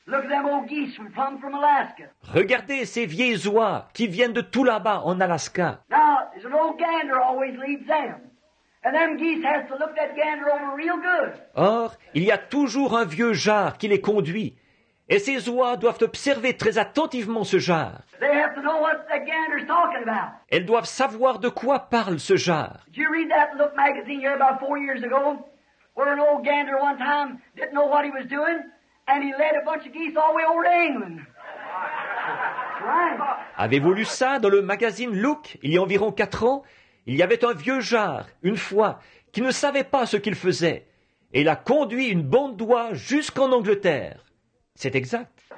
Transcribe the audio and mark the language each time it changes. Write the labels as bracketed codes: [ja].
[en] Look at them old geese who come from Alaska. [fr] Regardez ces vieilles oies qui viennent de tout là-bas en Alaska. [en] Now, there's an old gander always leads them. And them geese have to look that gander over real good. [fr] Or, il y a toujours un vieux jar qui les conduit. Et ces oies doivent observer très attentivement ce jar. [en] They have to know what the gander's talking about. [fr] Elles doivent savoir de quoi parle ce jar. [en] Did you read that Look magazine here about four years ago? Where an old gander one time didn't know what he was doing, and he led a bunch of geese all the way over to England. Right. [fr] Avez-vous lu ça dans le magazine Look, il y a environ quatre ans? Il y avait un vieux jar, une fois, qui ne savait pas ce qu'il faisait, et il a conduit une bande d'oies jusqu'en Angleterre. C'est exact.